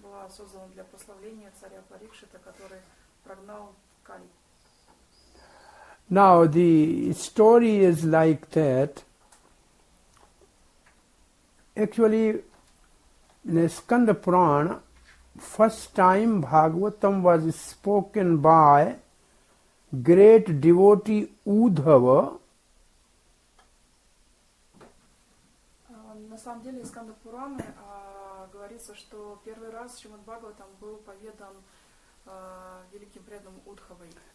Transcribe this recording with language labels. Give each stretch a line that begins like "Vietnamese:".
Russian: Создан для прославления царя Парикшита, который прогнал Кали.
English: Now the story is like that. Actually, in Skanda Purana, first time Bhagavatam was spoken by great devotee Uddhava.
Russian: На самом деле, из Skanda Purana говорится, что первый раз Шримад Бхагаватам был поведан великим преданным Удхавой.